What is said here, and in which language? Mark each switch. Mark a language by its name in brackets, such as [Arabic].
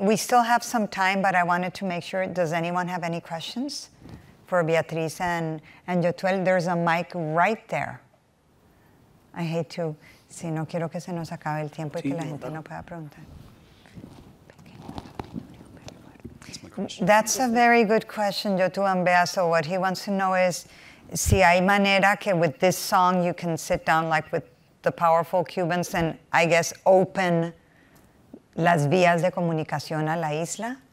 [English] We still have some time, but I wanted to make sure, does anyone have any questions for Beatriz and Yotuel? There's a mic right there. I hate to... [Spanish] Si no quiero que se nos acabe el tiempo y sí, que la gente no pueda preguntar. [English] That's a very good question, Yotu and Bea. So what he wants to know is, [Spanish] si hay manera que [English] with this song you can sit down like with the powerful Cubans and I guess open [Spanish] las vías de comunicación a la isla?